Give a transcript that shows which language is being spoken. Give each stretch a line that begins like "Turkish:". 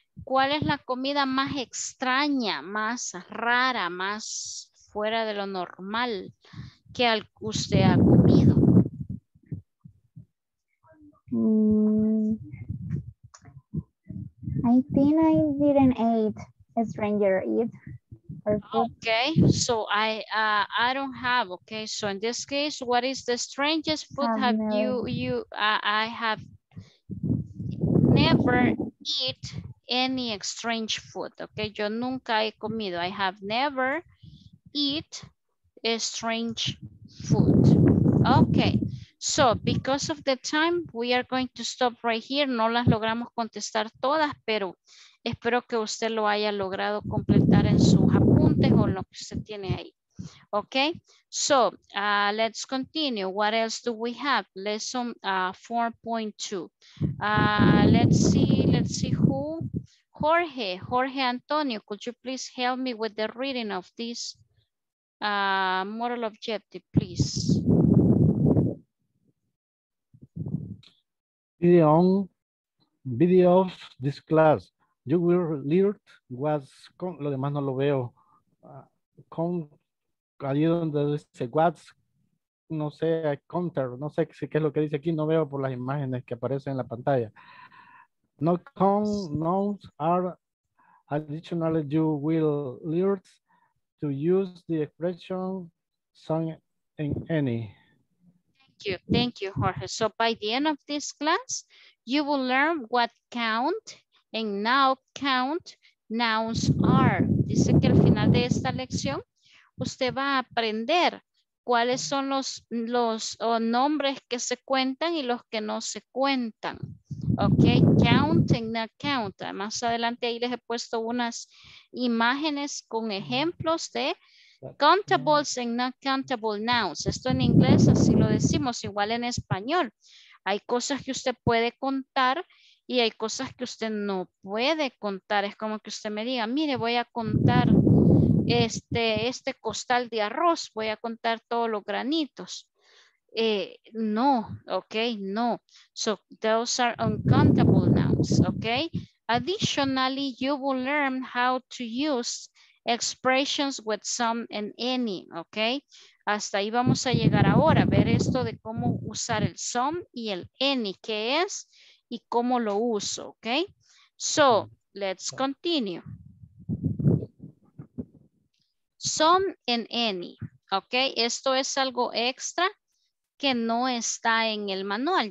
Spanish: ¿Cuál es la comida más extraña, más rara, más fuera de lo normal que usted ha comido?
English: I think I didn't eat a stranger eat. Okay, so I don't have, okay. So in this case, what is the strangest food I have never eat any strange food, okay?
Spanish: Yo nunca he comido.
English: I have never eat a strange food. Okay. So, because of the time, we are going to stop right here.
Spanish: No las logramos contestar todas, pero espero que usted lo haya logrado completar en sus apuntes o lo que usted tiene ahí.
English: Okay? So, let's continue. What else do we have? Lesson 4.2. Let's see who Jorge, Jorge Antonio, could you please help me with the reading of this moral objective, please? Video of this class. You will learn what's con,
Spanish: lo demás no lo veo. Con, ahí donde dice what's, no sé, counter, no sé qué es lo que dice aquí, no veo por las imágenes que aparecen en la pantalla.
English: No con nouns are additional, you will learn to use the expression some and any. Thank you, Jorge. So by the end of this class, you will learn what count and now count nouns are.
Spanish: Dice que al final de esta lección, usted va a aprender cuáles son los o nombres que se cuentan y los que no se cuentan. Ok,
English: count and not count.
Spanish: Más adelante ahí les he puesto unas imágenes con ejemplos de
English: countables and not countable nouns.
Spanish: Esto en inglés así lo decimos, igual en español. Hay cosas que usted puede contar y hay cosas que usted no puede contar. Es como que usted me diga, mire, voy a contar este costal de arroz, voy a contar todos los granitos.
English: No, ok, no. So those are uncountable nouns, ok. Additionally, you will learn how to use expressions with some and any, ok.
Spanish: Hasta ahí vamos a llegar ahora, a ver esto de cómo usar el some y el any, qué es y cómo lo uso, ok.
English: So, let's continue.
Spanish: Some and any, ok. Esto es algo extra que no está en el manual.